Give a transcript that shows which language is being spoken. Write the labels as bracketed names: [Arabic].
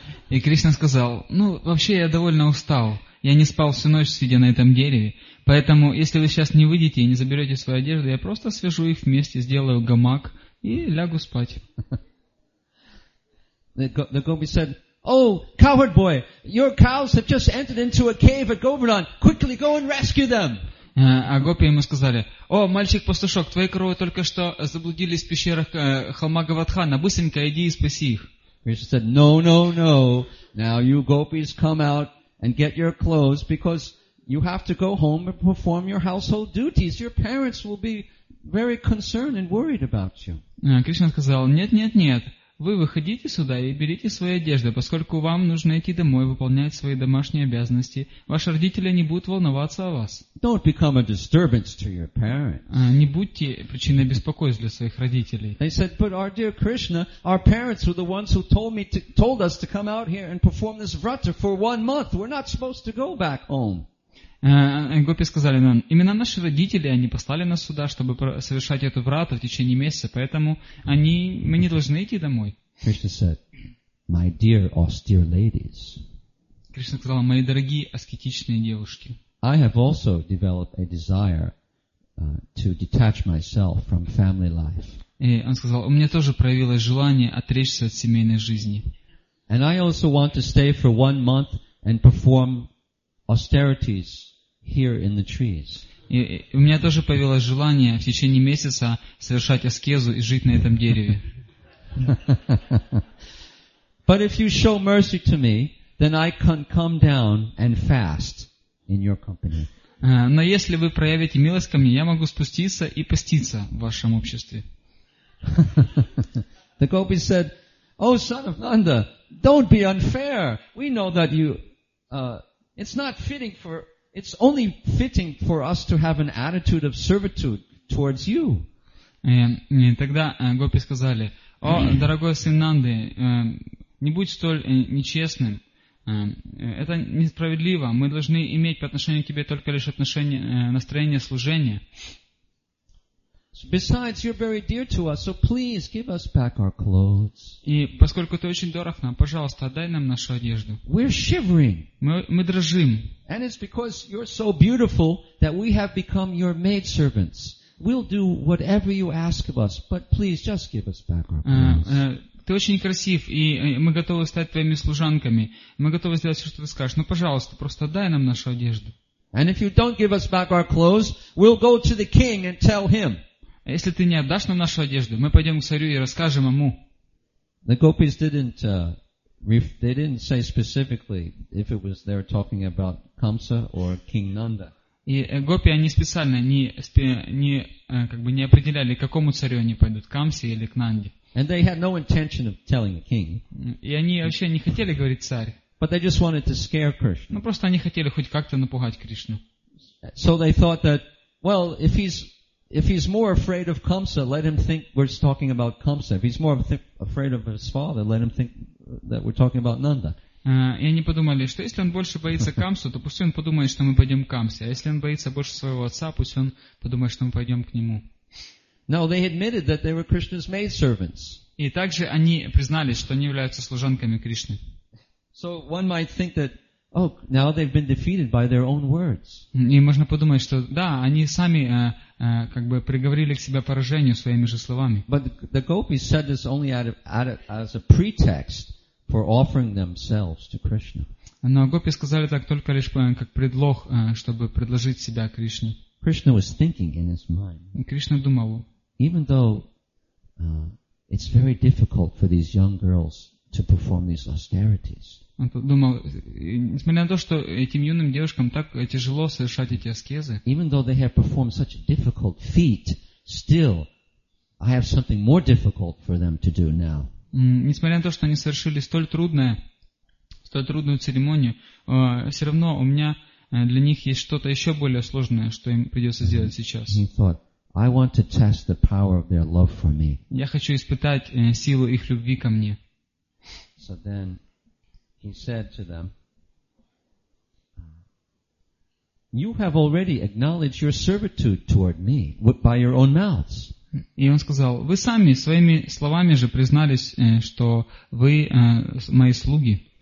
[Russian] И Кришна сказал, ну, вообще я довольно устал. Я не спал всю ночь, сидя на этом дереве. Поэтому, если вы сейчас не выйдете и не заберете свою одежду, я просто свяжу их вместе, сделаю гамак и лягу спать. А гопи ему сказали, «О, мальчик-пастушок, твои коровы только что заблудились в пещерах холма Гавадхана. Быстренько иди и спаси их». [English] Krishna said, no, no, no. Now you gopis come out and get your clothes because you have to go home and perform your household duties. Your parents will be very concerned and worried about you. [Russian] Кришна сказал, нет, нет, нет. Вы выходите сюда и берите свои одежды, поскольку вам нужно идти домой, выполнять свои домашние обязанности. Ваши родители не будут волноваться о вас. [English] Don't become a disturbance to your parents. [Russian] Не будьте причиной беспокойств для своих родителей. [English] They said, but our dear Krishna, our parents were the ones who told us to come out here and perform this vrata for one month. We're not supposed to go back home. [Russian] Гопи сказали нам, именно наши родители, они послали нас сюда, чтобы совершать эту врату в течение месяца, поэтому мы не должны идти домой. [English] Krishna said, my dear austere ladies. [Russian] Кришна сказал, мои дорогие аскетичные девушки. [English] I have also developed a desire to detach myself from family life. [Russian] И он сказал, у меня тоже проявилось желание отречься от семейной жизни. [English] And I also want to stay for one month and perform austerities here in the trees. [Russian] У меня тоже появилось желание в течение месяца совершать аскезу и жить на этом дереве. [English] But if you show mercy to me, then I can come down and fast in your company. [Russian] Но если вы проявите милость ко мне, я могу спуститься и поститься в вашем обществе. [English] The gopis said, "O son of Nanda, don't be unfair. We know that you, it's not fitting for, it's only fitting for us to have an attitude of servitude towards you." [Russian] Тогда гопи сказали, "О, дорогой сын Нанды, не будь столь нечестным. Это несправедливо. Мы должны иметь по отношению к тебе только лишь отношение, настроение служения. [English] Besides, you're very dear to us, so please give us back our clothes." [Russian] И поскольку ты очень дорог нам, пожалуйста, отдай нам нашу одежду. [English] We're shivering. [Russian] Мы дрожим. [English] And it's because you're so beautiful that we have become your maidservants. We'll do whatever you ask of us, but please just give us back our clothes. [Russian] Ты очень красив, и мы готовы стать твоими служанками. Мы готовы сделать все, что ты скажешь. Но, пожалуйста, просто дай нам нашу одежду. [English] And if you don't give us back our clothes, we'll go to the king and tell him. [Russian] Если ты не отдашь нам нашу одежду, мы пойдем к царю и расскажем ему. [English] The gopis didn't, they didn't say specifically if it was they're talking about Kamsa or King Nanda. [Russian] И гопи, они специально не определяли, к какому царю они пойдут, к Камсе или к Нанде. [English] And they had no intention of telling a king. [Russian] И они вообще не хотели говорить царь. [English] But they just wanted to scare Krishna. [Russian] Ну просто они хотели хоть как-то напугать Кришну. [English] So they thought that, well, if he's more afraid of Kamsa, let him think we're talking about Kamsa. If he's more afraid of his father, let him think that we're talking about Nanda. [Russian] И они подумали, что если он больше боится Камсу, то пусть он подумает, что мы пойдем к Камсе. А если он боится больше своего отца, пусть он подумает, что мы пойдем к нему. [English] No, they admitted that they were Krishna's maidservants. [Russian] И также они признались, что они являются служанками Кришны. [English] So one might think that, oh, now they've been defeated by their own words. [Russian] И можно подумать, что да, они сами как бы приговорили к себе поражению своими же словами. [English] But the gopis said this only as a pretext for offering themselves to Krishna. [Russian] Но гопи сказали так только лишь как предлог, чтобы предложить себя Кришне. [English] Krishna was thinking in his mind. [Russian] Кришна думал. [English] Even though it's very difficult for these young girls to perform these austerities. [Russian] Он думал, несмотря на то, что этим юным девушкам так тяжело совершать эти аскезы. [English] Even though they have performed such a difficult feat, still I have something more difficult for them to do now. [Russian] Несмотря на то, что они совершили столь трудную церемонию, все равно у меня для них есть что-то еще более сложное, что им придется сделать сейчас. [English] He thought, I want to test the power of their love for me. [Russian] Я хочу испытать силу их любви ко мне. [English] So then he said to them, "You have already acknowledged your servitude toward me by your own mouths." [Russian] И он сказал, вы сами своими словами же признались, что вы мои слуги.